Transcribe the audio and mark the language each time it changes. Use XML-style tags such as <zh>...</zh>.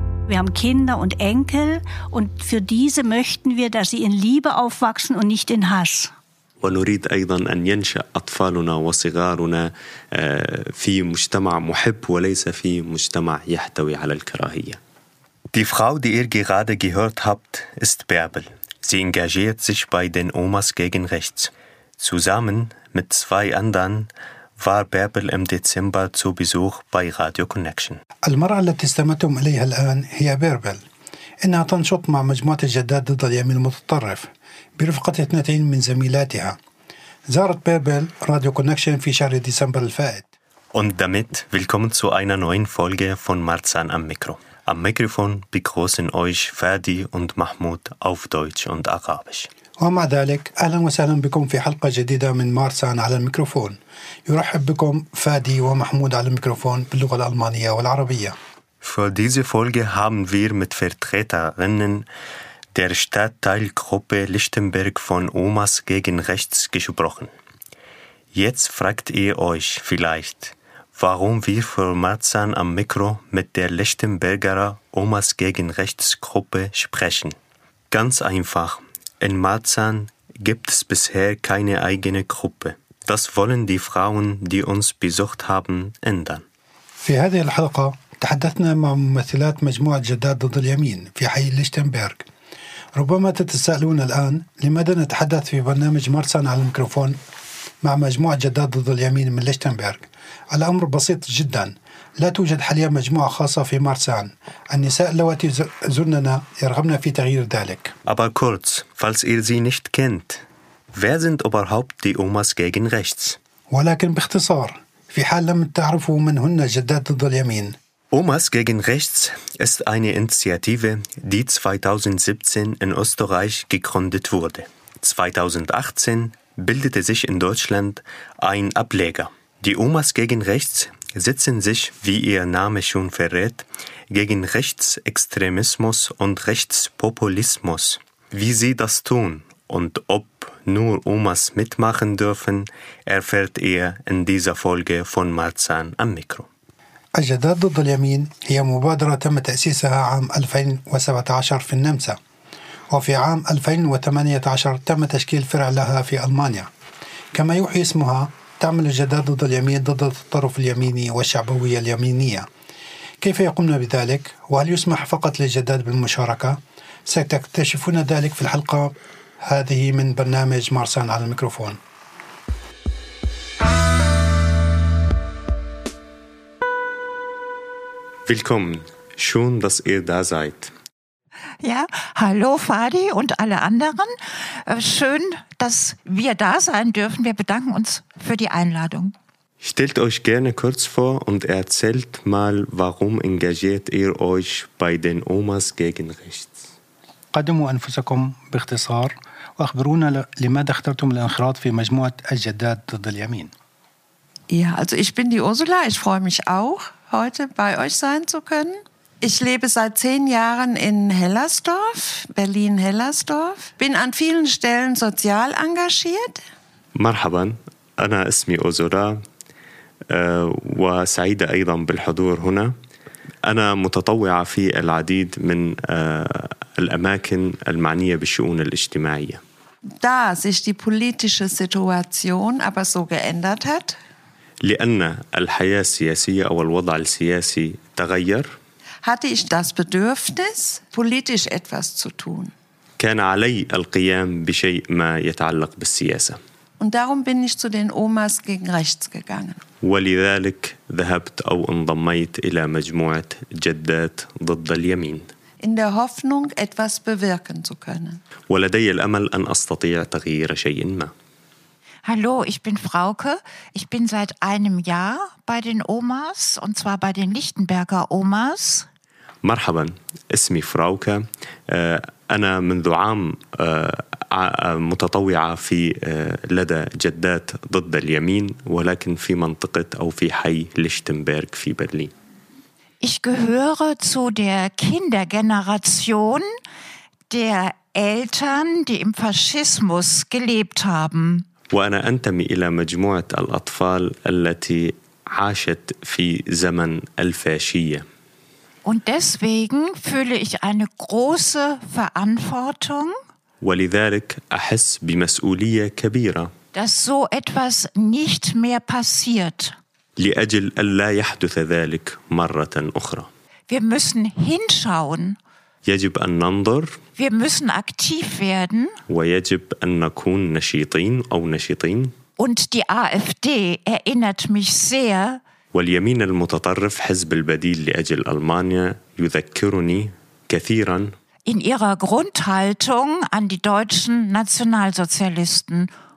<de>Wir haben Kinder und Enkel und für diese möchten wir, dass sie in Liebe aufwachsen und nicht in Hass.</de> <ar>ونريد أيضا أن ينشأ أطفالنا وصغارنا في مجتمع محب وليس في مجتمع يحتوي على الكراهية.</ar> <de>Die Frau, die ihr gerade gehört habt, ist Bärbel. Sie engagiert sich bei den Omas gegen Rechts. Zusammen mit zwei anderen war Bärbel im Dezember zu Besuch bei Radio Connection.</de> <ar>المرأة التي استمعتم إليها الآن هي بيربل. إنها تنشط مع مجموعة الجداد ضد اليمين المتطرف برفقة اثنتين من زميلاتها. زارت بيربل راديو كونكشن في شهر ديسمبر الفائت.</ar> <de>Und damit willkommen zu einer neuen Folge von Marzahn am Mikro. Am Mikrofon begrüßen euch Fadi und Mahmoud auf Deutsch und Arabisch.</de> <ar>ومع ذلك أهلا وسهلا بكم في حلقة جديدة من مارسان على الميكروفون. يرحب بكم فادي ومحمود على الميكروفون باللغة الألمانية والعربية.</ar> <de>Für diese Folge haben wir mit Vertreterinnen der Stadtteilgruppe Lichtenberg von Omas gegen Rechts gesprochen. Jetzt fragt ihr euch vielleicht, warum wir für Marzahn am Mikro mit der Lichtenberger Omas gegen Rechts Gruppe sprechen. Ganz einfach, in Marzahn gibt es bisher keine eigene Gruppe. Das wollen die Frauen, die uns besucht haben, ändern. Für diese Folge</de> <ar>تحدثنا مع ممثلات مجموعة جداد ضد اليمين في حي ليشتنبرغ. ربما تتساءلون الآن لماذا نتحدث في برنامج مارسان على الميكروفون مع مجموعة جداد ضد اليمين من ليشتنبرغ. الأمر بسيط جدا، لا توجد حاليا مجموعة خاصة في مارسان. النساء اللواتي زرننا يرغبن في تغيير ذلك.</ar> <de>Aber kurz, falls ihr sie nicht kennt, wer sind überhaupt die Omas gegen rechts?</de> <ar>ولكن باختصار، في حال لم تعرفوا من هن جداد ضد اليمين،</ar> <de>Omas gegen Rechts ist eine Initiative, die 2017 in Österreich gegründet wurde. 2018 bildete sich in Deutschland ein Ableger. Die Omas gegen Rechts setzen sich, wie ihr Name schon verrät, gegen Rechtsextremismus und Rechtspopulismus. Wie sie das tun und ob nur Omas mitmachen dürfen, erfährt ihr in dieser Folge von Marzahn am Mikro.</de> <ar>الجداد ضد اليمين هي مبادرة تم تأسيسها عام 2017 في النمسا، وفي عام 2018 تم تشكيل فرع لها في ألمانيا. كما يوحي اسمها، تعمل الجداد ضد اليمين ضد التطرف اليميني والشعبوية اليمينية. كيف يقومنا بذلك؟ وهل يسمح فقط للجداد بالمشاركة؟ ستكتشفون ذلك في الحلقة هذه من برنامج مارسان على الميكروفون.</ar> <de>Willkommen. Schön, dass ihr da seid. Ja, hallo Fadi und alle anderen. Schön, dass wir da sein dürfen. Wir bedanken uns für die Einladung. Stellt euch gerne kurz vor und erzählt mal, warum engagiert ihr euch bei den Omas gegen Rechts?</de> <ar>قدموا أنفسكم باختصار وأخبرونا لماذا اخترتم الانخراط في مجموعة الجداد ضد اليمين.</ar> <de>Ja, also ich bin die Ursula. Ich freue mich auch, heute bei euch sein zu können. Ich lebe seit 10 Jahren in Hellersdorf, Berlin-Hellersdorf. Bin an vielen Stellen sozial engagiert.</de> <ar>مرحباً، أنا اسمي أوزورا وسعيدة أيضاً بالحضور هنا. أنا متطوعة في العديد من الأماكن المعنية بالشؤون الاجتماعية.</ar> <de>Da sich die politische Situation aber so geändert hat.</de> <ar>لأن الحياة السياسية أو الوضع السياسي تغير.</ar> <de>Hatte ich das Bedürfnis, politisch etwas zu tun.</de> <ar>كان علي القيام بشيء ما يتعلق بالسياسة.</ar> <de>Und darum bin ich zu den Omas gegen rechts gegangen.</de> <ar>ولذلك ذهبت أو انضميت إلى مجموعة جدات ضد اليمين.</ar> <de>In der Hoffnung, etwas bewirken zu können.</de> <ar>ولدي الأمل أن أستطيع تغيير شيء ما.</ar> <de>Hallo, ich bin Frauke. Ich bin seit 1 Jahr bei den Omas, und zwar bei den Lichtenberger Omas.</de> <ar>مرحبا، اسمي فراوكا. أنا منذ عام متطوعة في لدى جدات ضد اليمين ولكن في منطقة أو في حي ليشتنبرغ في برلين.</ar> <de>Ich gehöre zu der Kindergeneration der Eltern, die im Faschismus gelebt haben.</de> <ar>وأنا أنتمي إلى مجموعة الأطفال التي عاشت في زمن الفاشية.</ar> <de>Und deswegen fühle ich eine große Verantwortung.</de> <ar>ولذلك أحس بمسؤولية كبيرة.</ar> <de>Dass so etwas nicht mehr passiert.</de> <ar>لأجل ألا يحدث ذلك مرة أخرى.</ar> <de>Wir müssen hinschauen.</de> <ar>يجب أن ننظر.</ar> <de>Wir müssen aktiv werden.</de> <ar>ويجب أن نكون نشيطين أو نشيطين.</ar> <de>Und die AfD erinnert mich sehr.</de> <ar>واليمين المتطرف حزب البديل لأجل ألمانيا يذكرني كثيرا.</ar> <de>In ihrer Grundhaltung an die deutschen Nationalsozialisten.</de>